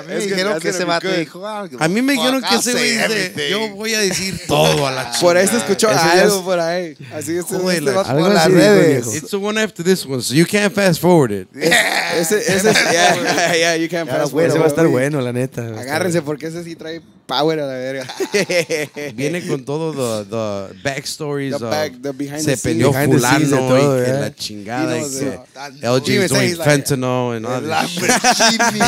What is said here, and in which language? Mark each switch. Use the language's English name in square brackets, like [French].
[Spanish] A mí me dijeron que ese güey dice, yo voy a decir todo a la chica. Por ahí se escuchó algo por ahí. Así que se va a las redes. [English] It's the one after this one, so you can't fast forward it. Yeah, you can't fast forward it. [Spanish] Ese va a estar bueno, la neta. Agárrense porque ese sí trae power a la verga. Viene con todo [English] the backstories the back, the behind [Spanish] se peleó fulano y todo, que la chingada y que [English] LJ is doing fentanyl and all this shit.